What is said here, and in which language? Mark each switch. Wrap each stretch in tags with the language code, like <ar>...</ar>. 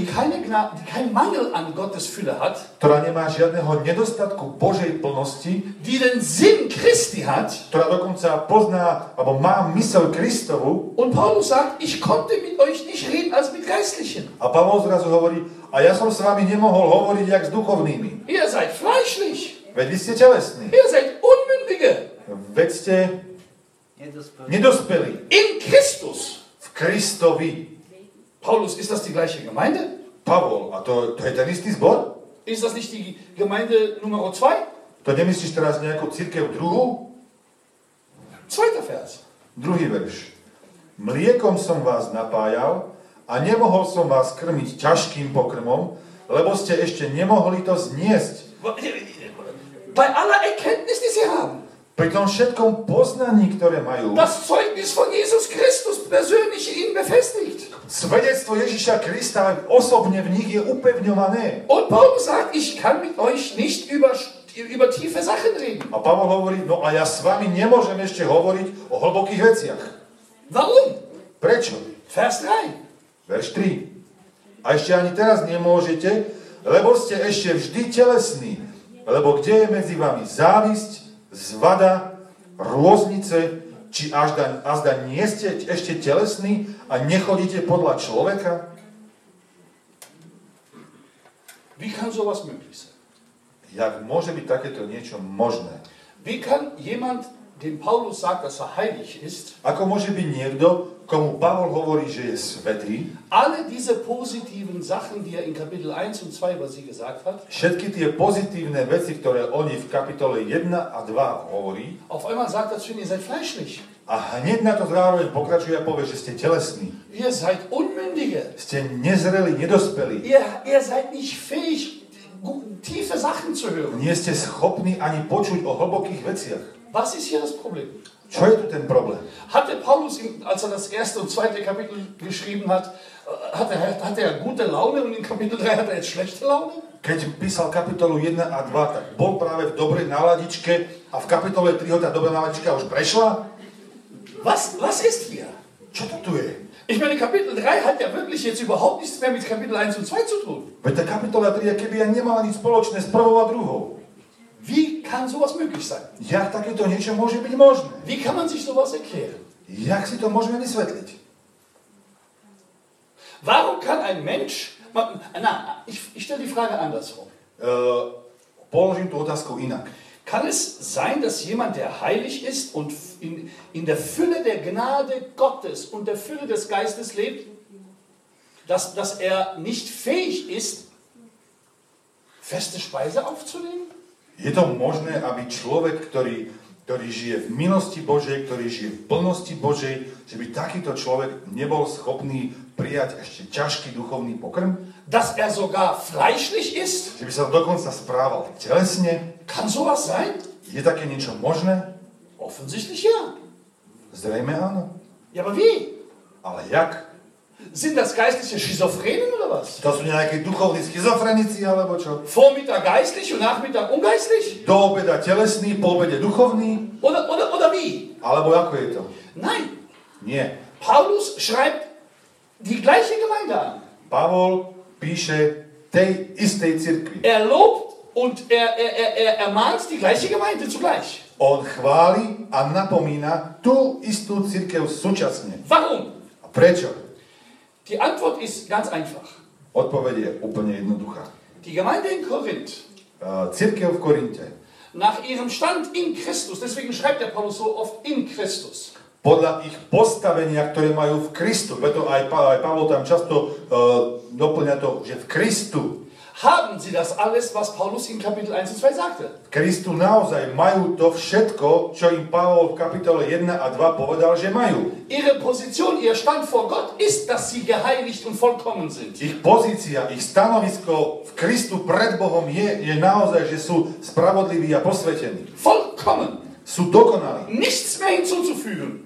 <de>die kein Mangel an Gottes Fülle hat,</de> <sk>ktorá nemá žiadneho nedostatku Božej plnosti,</sk> <de>die den Sinn Christi hat,</de> <sk>ktorá dokonca pozná, alebo má mysel Kristovu,</sk> <de>und Paulus sagt, ich konnte mit euch nicht reden als mit Geistlichen.</de> <sk>A Pavol zrazu hovorí, a ja som s vami nemohol hovoriť jak s duchovnými.</sk> <de>Ihr seid fleischlich.</de> <sk>Veď vy ste telesní.</sk> <de>Ihr seid unmündige.</de> <sk>Veď ste nedospeli.</sk> <de>In Christus.</de> <sk>V Kristovi.</sk> <de>Paulus, ist das die gleiche Gemeinde?</de> <sk>Pavol, a to je ten istý zbor?</sk> <de>Ist das nicht die Gemeinde numero 2?</de> <sk>To nemyslíš teraz nejakú cirkev druhú?</sk> <de>Zweiter Vers.</de> <sk>Druhý verš. Mliekom som vás napájal a nemohol som vás krmiť ťažkým pokrmom, lebo ste ešte nemohli to zniesť.</sk> <de>Bei aller Erkenntnis, die sie haben.</de> <sk>Pri tom všetkom poznaní, ktoré majú.</sk> <de>Das Zeugnis von Jesus Christus persönlich in ihnen befestigt.</de> <sk>Svedectvo Ježiša Krista osobne v nich je upevňované.</sk> <de>Und Paul sagt, ich kann mit euch nicht über tiefe Sachen reden.</de> <sk>A Pavol hovorí, no a ja s vami nemôžem ešte hovoriť o hlbokých veciach.</sk> <de>Warum?</de> <sk>Prečo?</sk> <de>Vers 3. Vers 3.</de> <sk>A ešte ani teraz nemôžete, lebo ste ešte vždy telesní. Lebo kde je medzi vami závisť, zvada, rôznice, či azda nie ste ešte telesní a nechodíte podľa človeka?</sk> <de>Wie kann sowas möglich sein?</de> <sk>Jak môže byť takéto niečo možné?</sk> <de>Wie kann jemand, dem Paulus sagt, dass er heilig ist?</de> <sk>Ako môže byť niekto, komu Pavol hovorí, že je svätý?</sk> <de>Alle diese positiven Sachen, die er in Kapitel 1 und 2 über sie gesagt hat?</de> <sk>Všetky tie pozitívne veci, ktoré oni v kapitole 1 a 2 hovorí?</sk> <de>Auf einmal sagt er zu ihnen, ihr seid fleischlich.</de> <sk>A hneď na to zároveň pokračuje a povie, že ste telesní.</sk> <de>Ihr seid unmündige.</de> <sk>Ste nezreli, nedospelí.</sk> <de>Ihr seid nicht fähig, tiefe Sachen zu hören.</de> <sk>Nie ste schopní ani počuť o hlbokých veciach.</sk> <de>Was ist hier das Problem?</de> <sk>Čo je tu ten problém?</sk> <de>Hatte Paulus, als er das erste und zweite Kapitel geschrieben hat, hatte er gute Laune und in Kapitel 3 hatte er schlechte Laune?</de> <sk>Keď písal kapitolu 1 a 2, tak bol práve v dobrej náladičke a v kapitole 3 tá dobrá náladička už prešla?</sk> <de>Was ist hier?</de> <sk>Čo to tu je?</sk> <de>Ich meine, Kapitel 3 hat ja wirklich jetzt überhaupt nichts mehr mit Kapitel 1 und 2 zu tun.</de> <sk>Veď tá kapitola 3 keby ja nemala nič spoločné s prvou a druhou.</sk> <de>Wie kann sowas möglich sein?</de> <sk>Jak takéto niečo môže byť možné?</sk> <de>Wie kann man sich sowas erklären?</de> <sk>Jak si to môžeme vysvetliť?</sk> <de>Warum kann ein Mensch... Ich stelle die Frage andersrum.</de> <sk>Položím tú otázku inak.</sk> <de>Kann es sein, dass jemand, der heilig ist und in der Fülle der Gnade Gottes und der Fülle des Geistes lebt, dass er nicht fähig ist, feste Speise aufzunehmen?</de> <sk>Je to možné, aby človek, ktorý žije v milosti Božej, ktorý žije v plnosti Božej, že by takýto človek nebol schopný prijať ešte ťažký duchovný pokrm?</sk> <de>Dass er sogar fleischlich ist?</de> <sk>Že by sa dokonca správal telesne?</sk> <de>Kann sowas sein?</de> <sk>Je také niečo možné?</sk> <de>Offensichtlich ja.</de> <sk>Zrejme áno.</sk> <de>Ja, aber wie?</de> <sk>Ale jak?</sk> <de>Sind das geistliche Schizophrenen oder was?</de> <sk>To sú nejaké duchovní schizofrenici alebo čo?</sk> <de>Vormittag geistlich und nachmittag ungeistlich?</de> <sk>Do obeda telesný, po obede duchovný?</sk> <de>Oder wie?</de> <sk>Alebo ako je to?</sk> <de>Nein.</de> <sk>Nie.</sk> <de>Paulus schreibt die gleiche Gemeinde an.</de> <sk>Pavol píše tej istej cirkvi.</sk> <de>Er lobt und er ermahnt die gleiche Gemeinde zugleich.</de> <sk>On chváli a napomína tú istú cirkev súčasne.</sk> <de>Warum?</de> <sk>A prečo?</sk> <de>Die Antwort ist ganz einfach.</de> <sk>Odpoveď je úplne jednoduchá.</sk> <de>Die Gemeinde in Korinth.</de> <sk>Cirkev v Korinte.</sk> <de>Nach ihrem Stand in Christus, deswegen schreibt der Paulus so oft in Christus.</de> <sk>Podľa ich postavenia, ktoré majú v Kristu, preto aj Pavol tam často doplňa to, že v Kristu.</sk> <de>Haben sie das alles, was Paulus in Kapitel 1 und 2 sagte?</de> <sk>V Kristu naozaj majú to všetko, čo im Pavol v kapitole 1 a 2 povedal, že majú.</sk> <de>Ihre Position, ihr Stand vor Gott ist, dass sie geheiligt und vollkommen sind.</de> <sk>Ich pozícia, ich stanovisko v Kristu pred Bohom je naozaj, že sú spravodliví a posvetení.</sk> <de>Vollkommen.</de> <sk>Sú dokonalí.</sk> <de>Nichts mehr hinzuzufügen.</de>